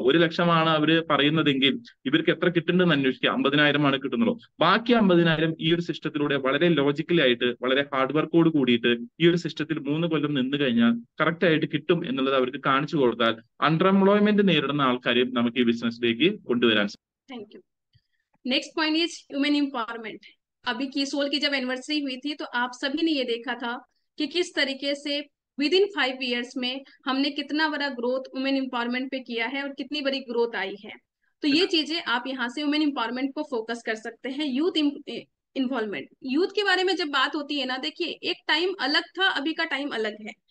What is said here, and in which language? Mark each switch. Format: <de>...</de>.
<ml>100,000 അവര് പറയുന്നതെങ്കിൽ ഇവർക്ക് എത്ര കിട്ടുന്നുണ്ടെന്ന് അന്വേഷിക്കുക. 50,000 കിട്ടുന്നുള്ളൂ, ബാക്കി 50,000 ഈ ഒരു സിസ്റ്റത്തിലൂടെ വളരെ ലോജിക്കലി ആയിട്ട് വളരെ ഹാർഡ് വർക്കോട് കൂടിയിട്ട് ഈ ഒരു സിസ്റ്റത്തിൽ 3 കൊല്ലം നിന്ന് കഴിഞ്ഞാൽ കറക്റ്റ് ആയിട്ട് കിട്ടും എന്നുള്ളത് അവർക്ക് കാണിച്ചു കൊടുത്താൽ അണ്ടർ എംപ്ലോയ്മെന്റ് നേരിടുന്ന ആൾക്കാരെ നമുക്ക് ഈ ബിസിനസ്സിലേക്ക് കൊണ്ടുവരാൻ സാധിക്കും.</ml> <en>Next point is human empowerment.</en> <hi>अभी की सोल की जब एनिवर्सरी हुई थी तो आप सभी ने ये देखा था कि किस तरीके से विद इन 5 years में हमने कितना बड़ा ग्रोथ वुमेन एम्पावरमेंट पे किया है और कितनी बड़ी ग्रोथ आई है. तो ये चीजें आप यहाँ से वुमेन एम्पावरमेंट को फोकस कर सकते हैं. यूथ इन्वॉल्वमेंट, यूथ के बारे में जब बात होती है ना, देखिए एक टाइम अलग था, अभी का टाइम अलग है.</hi>